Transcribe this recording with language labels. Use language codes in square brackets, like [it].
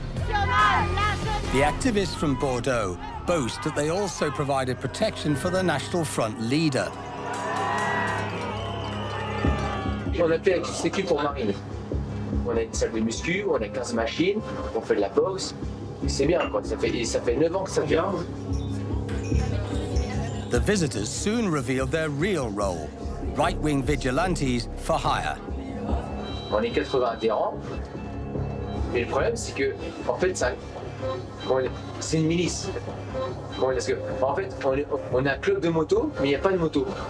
[en] The activists from Bordeaux boast that they also provided protection for the National Front leader. [fr] On a une salle de muscu, on a 15 machines, on fait de la boxe. C'est bien, quoi. Ça fait 9 ans que ça vient. [en] The visitors soon reveal their real role, right-wing vigilantes for hire. [fr] On est 80 adhérents. Mais le problème, c'est que, en fait, ça, c'est une milice. Parce que, en fait, on a un club de moto, mais il n'y a pas de moto.